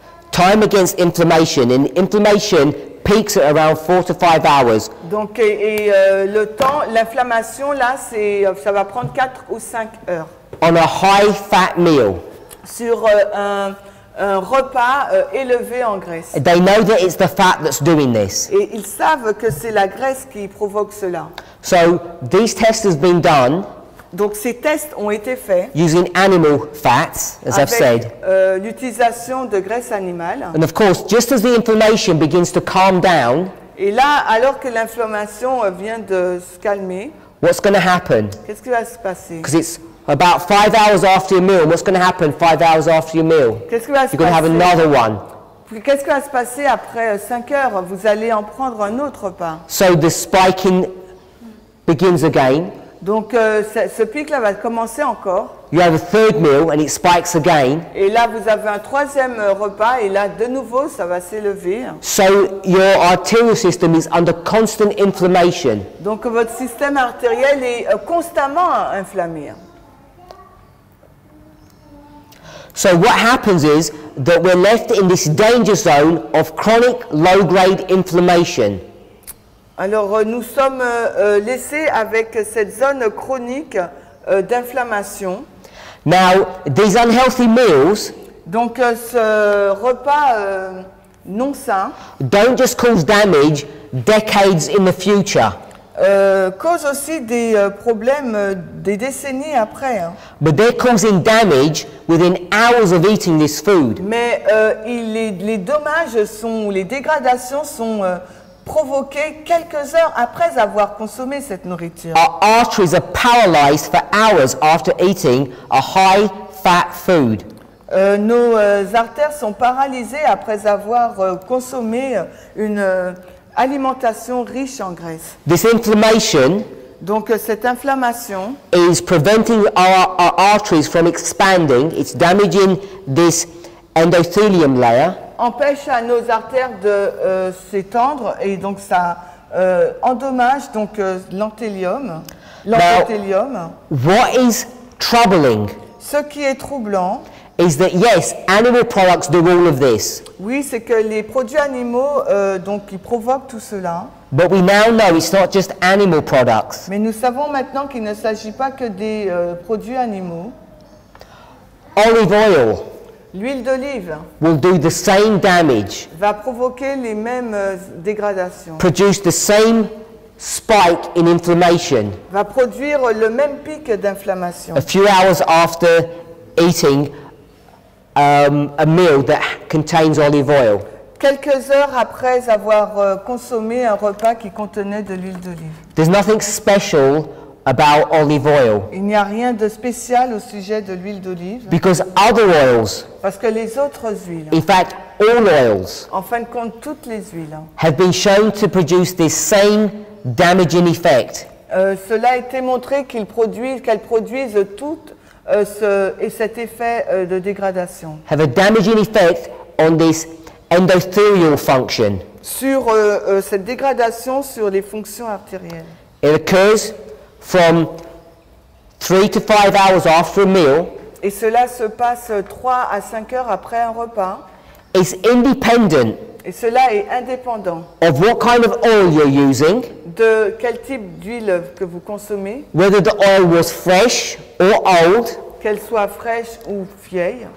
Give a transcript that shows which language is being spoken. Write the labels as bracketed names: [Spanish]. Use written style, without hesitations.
[English] Time against inflammation. And inflammation peaks at around 4 to 5 hours. [French] Donc et le temps, l'inflammation là c'est ça va prendre 4 ou 5 heures. [English] On a high fat meal. [French] Sur un repas élevé en graisse. [English] They know that it's the fat that's doing this. [French] Et ils savent que c'est la graisse qui provoque cela. [English] So these tests have been done. [French] Donc ces tests ont été faits. [English] Using animal fats, as I've said. [French] L'utilisation de graisse animale. [English] And of course, just as the inflammation begins to calm down. [French] Et là, alors que l'inflammation vient de se calmer. [English] What's going to happen? [French] Qu'est-ce qui va se passer? [English] Because it's about 5 hours after your meal, what's going to happen 5 hours after your meal? [French] Qu'est-ce qui va se [English] You're going to have another one. [French] Qu'est-ce qui va se passer après 5 heures? Vous allez en prendre un autre pas. [English] So the spiking begins again. [French] Donc ce pic-là va commencer encore. [English] You have a third meal and it spikes again. [French] Et là vous avez un troisième repas et là de nouveau ça va s'élever. [English] So your arterial system is under constant inflammation. [French] Donc votre système artériel est constamment inflammé. [English] So what happens is that we're left in this danger zone of chronic low-grade inflammation. [French] Alors nous sommes laissés avec cette zone chronique d'inflammation. [English] Now these unhealthy meals. [French] Donc ce repas non sain. [English] Don't just cause damage decades in the future. [French] Cause aussi des problèmes des décennies après. Hein. [English] But they're causing damage within hours of eating this food. [French] Mais les dommages sont, les dégradations sont provoquées quelques heures après avoir consommé cette nourriture. [English] Our arteries are paralyzed for hours after eating a high fat food. [French] Nos artères sont paralysées après avoir consommé une alimentation riche en graisse. [English] This inflammation, [French] donc cette inflammation, [English] is preventing our arteries from expanding. It's damaging this endothelium layer. [French] Empêche à nos artères de s'étendre et donc ça endommage donc l'endothélium. [English] What is troubling? [French] Ce qui est troublant. [English] Is that yes, animal products do all of this. [French] Oui, c'est que les produits animaux donc qui provoquent tout cela. [English] But we now know it's not just animal products. [French] Mais nous savons maintenant qu'il ne s'agit pas que des produits animaux. [English] Olive oil. [French] L'huile d'olive. [English] Will do the same damage. [French] Va provoquer les mêmes dégradations. [English] Produce the same spike in inflammation. [French] Va produire le même pic d'inflammation. [English] A few hours after eating a meal that contains olive oil. [French] Quelques heures après avoir consommé un repas qui contenait de l'huile d'olive. [English] There's nothing special about olive oil. [French] Il n'y a rien de spécial au sujet de l'huile d'olive. [English] Because other oils. [French] Parce que les autres huiles. [English] In fact, all oils. [French] En fin de compte, toutes les huiles. [English] Have been shown to produce this same damaging effect. [French] Cela a été montré qu'ils produisent, qu'elles produisent toutes ce et cet effet de dégradation. [English] Have a damaging effect on this endothelial function. [French] Sur cette dégradation sur les fonctions artérielles. [English] It occurs from 3 to 5 hours after a meal. [French] Et cela se passe 3 à 5 heures après un repas. [English] It's independent. [French] Et cela est indépendant. [English] Of what kind of oil you're using. [French] De quel type d'huile que vous consommez. [English] Whether the oil was fresh or old. [French] Qu'elle soit fraîche ou vieille.